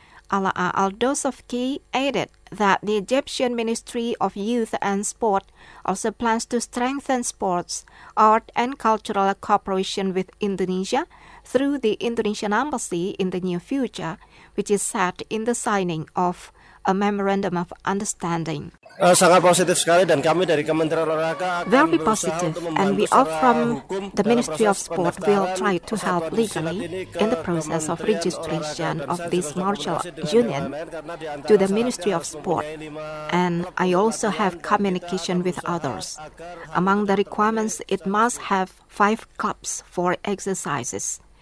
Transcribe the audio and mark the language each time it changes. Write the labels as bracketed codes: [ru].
[en] Alaa Al-Dosoki added that the Egyptian Ministry of Youth and Sport also plans to strengthen sports, art, and cultural cooperation with Indonesia through the Indonesian Embassy in the near future, which is set in the signing of a Memorandum of Understanding. [id] Sangat positif sekali, dan kami dari Kementerian Olahraga [en] very positive, and we all from the Ministry of Sport will try to help legally in the process of registration of this martial union to the Ministry of Sport, and I also have communication with others. Among the requirements, it must have 5 clubs for exercises.